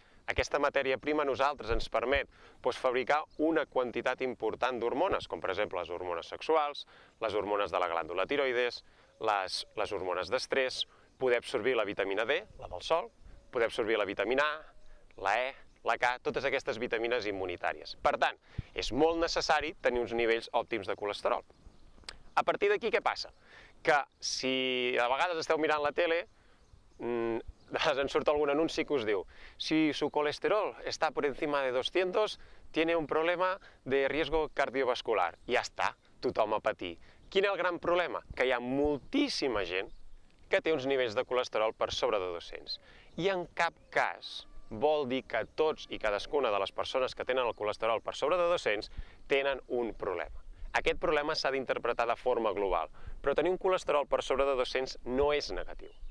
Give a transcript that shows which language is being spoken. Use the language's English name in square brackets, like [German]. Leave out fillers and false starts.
[Catalan] Aquesta matèria prima a nosaltres ens permet fabricar una quantitat important d'hormones, com per exemple les hormones sexuals, les hormones de la glàndula tiroides, les hormones d'estrès, poder absorbir la vitamina D, la del sol, poder absorbir la vitamina A, la E, la K, totes aquestes vitamines immunitàries. Per tant, és molt necessari tenir uns nivells òptims de colesterol. A partir d'aquí, què passa? Que si a vegades esteu mirant la tele, en surt algun anunci que us diu: [Spanish] si su colesterol está por encima de 200, tiene un problema de riesgo cardiovascular. [Catalan] Ja està, tothom a patir. Quin és el gran problema? Que hi ha moltíssima gent que té uns nivells de colesterol per sobre de 200. I en cap cas vol dir que tots i cadascuna de les persones que tenen el colesterol per sobre de 200 tenen un problema. Aquest problema s'ha d'interpretar de forma global, però tenir un colesterol per sobre de 200 no és negatiu.